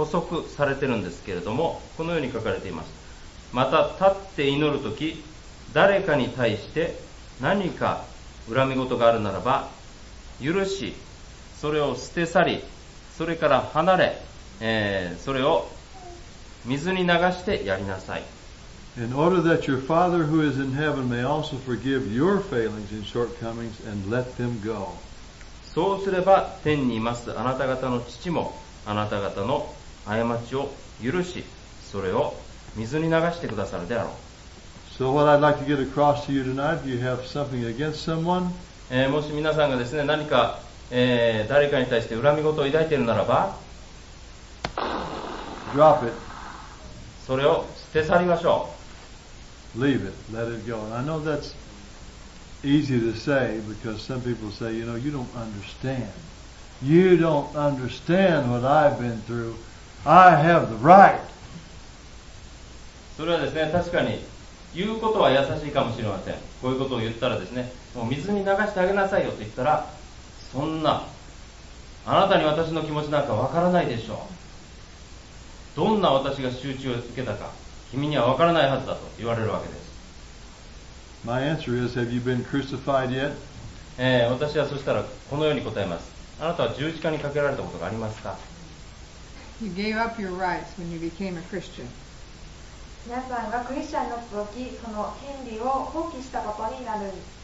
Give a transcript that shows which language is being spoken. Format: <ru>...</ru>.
<ja>補足されてるんですけれども、このように書かれています。また立って祈るとき、誰かに対して何か恨み事があるならば許し、それを捨て去り、それから離れ、それを水に流してやりなさい。</ja> <en>In order that your Father who is in heaven may also forgive your failings and shortcomings and let them go.</en> <ja>そうすれば天にいますあなた方の父もあなた方の過ちを許し、それを水に流してくださるであろう。</ja> <en>So what I'd like to get across to you tonight, if you have something against someone,</en> <ja>もし皆さんがですね、何か、誰かに対して恨み事を抱いているならば、</ja> <en>drop it.</en> <ja>それを捨て去りましょう。</ja> <en>Leave it, let it go. And I know that's easy to say because some people say, you know, you don't understand. You don't understand what I've been through. I have the right.</en> <ja>それはですね、確かに言うことは優しいかもしれません。こういうことを言ったらですね、もう水に流してあげなさいよと言ったら、そんな、あなたに私の気持ちなんかわからないでしょう。どんな私が仇敵を受けたか、君にはわからないはずだと言われるわけです。</ja> <en>My answer is, have you been crucified yet?</en> <ja>私はそしたらこのように答えます。あなたは十字架にかけられたことがありますか？</ja> <en>You gave up your rights when you became a Christian.</en> <ja>皆さんがクリスチャンになったとき、その権利を放棄したことになるんです。</ja>